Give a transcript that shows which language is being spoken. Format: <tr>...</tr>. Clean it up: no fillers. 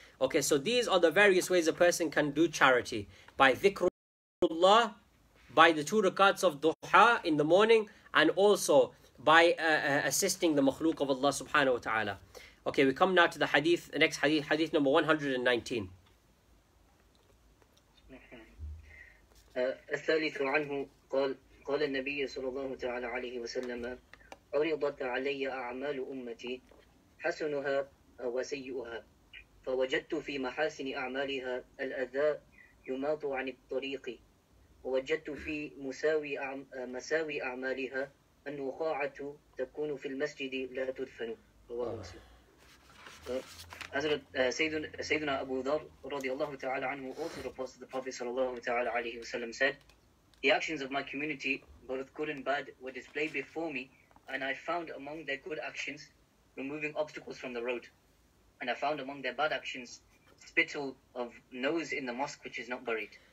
<en>Okay, so these are the various ways a person can do charity. By dhikrullah, by the two rakats of duha in the morning, and also by assisting the makhluk of Allah subhanahu wa ta'ala. Okay, we come now to the hadith, the next hadith, hadith number 119.</en> <ar>الثالث عنه قال النبي صلى الله تعالى عليه وسلم عرضت علي أعمال أمتي حسنها وسيئها فوجدت في محاسن أعمالها الأذى يماط عن الطريق ووجدت في مساوي أعمالها النخاعة تكون في المسجد لا تدفن رواه مسلم.</ar> <en>Sayyidina Abu Dhar radiallahu ta'ala anhu also reports that the Prophet sallallahu ta'ala alayhi wa sallam said, the actions of my community, both good and bad, were displayed before me, and I found among their good actions removing obstacles from the road, and I found among their bad actions spittle of nose in the mosque which is not buried.</en>